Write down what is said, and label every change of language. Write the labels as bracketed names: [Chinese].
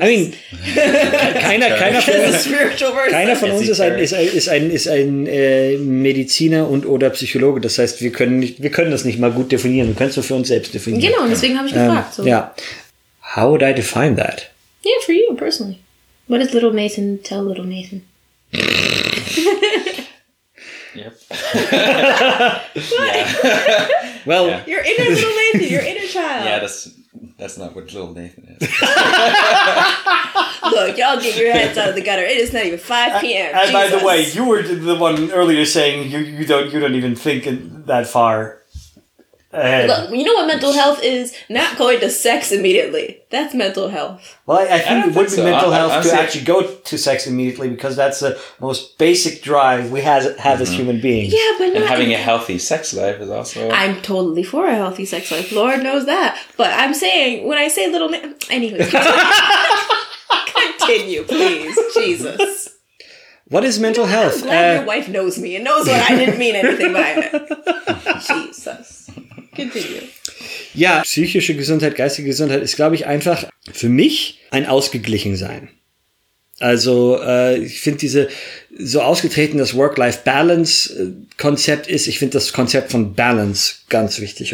[English] I mean, [German] keiner von uns ist ein Mediziner und oder Psychologe. Das heißt, wir können das nicht mal gut definieren. Wir können es nur für uns selbst definieren. Genau, und deswegen habe ich gefragt. So. [English] Yeah. How would I define that? Yeah, for you personally. What does little Nathan tell little Nathan? Yep. What? Yeah. Well, your inner little lady, your inner child. Yeah, that's That's not what little Nathan is. Look, y'all get your heads out of the gutter. It is not even 5 p.m. And Jesus. By the way, you were the one earlier saying you don't even think that far ahead. Look, you know what mental health is? Not going to sex immediately. That's mental health. Well, I think it would be mental health to actually go to sex immediately, because that's the most basic drive we have mm-hmm. as human beings. Yeah, but not... And having a healthy sex life is also... I'm totally for a healthy sex life. Lord knows that. But I'm saying, when I say little... Anyway. Continue, please. Jesus. What is mental health? I'm glad your wife knows me and knows what I didn't mean anything by it. Jesus. Continue. [German] Ja, psychische Gesundheit, geistige Gesundheit ist, glaube ich, einfach für mich ein Ausgeglichensein. Also ich finde diese so ausgetreten, das Work-Life-Balance-Konzept ist, ich finde das Konzept von Balance ganz wichtig.